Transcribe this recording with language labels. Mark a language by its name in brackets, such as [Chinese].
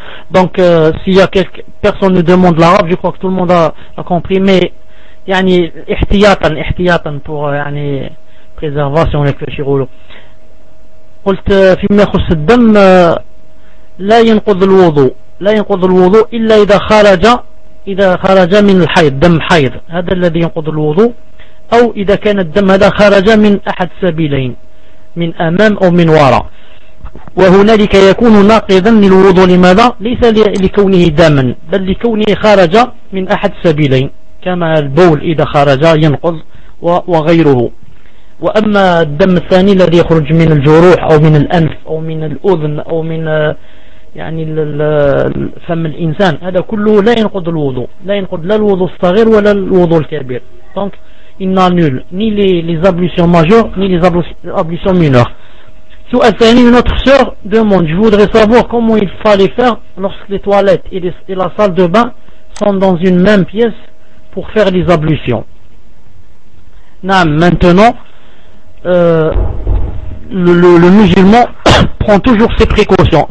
[French] Donc, s'il y a quelques personnes qui demandent l'arabe, je crois que tout le monde a compris, mais [Arabic] yani, ihtiyatan [French] pour yani, préservation avec le chirolo. [Arabic] قلت فيما يخص الدم لا ينقض الوضوء لا ينقض الوضوء إلا إذا خرج إذا خرج من الحيض دم حيض هذا الذي ينقض الوضوء أو إذا كان الدم هذا خرج من أحد سبيلين من أمام أو من وراء وهنالك يكون ناقضا للوضوء لماذا؟ ليس لكونه دما بل لكونه خرج من أحد سبيلين كما البول إذا خرج ينقض وغيره وأما الدم الثاني الذي يخرج من الجروح أو من الأنف أو من الأذن أو من يعني فم الإنسان هذا كله لا ينقض الوضوء لا ينقض لا الوضوء الصغير ولا الوضوء الكبير [French] donc il n'annule ni les ablutions majeures ni les ablutions mineures. Sous Athénie, une autre sœur demande, je voudrais savoir comment il fallait faire lorsque les toilettes et la salle de bain sont dans une même pièce pour faire les ablutions. Non, maintenant le musulman prend toujours ses précautions.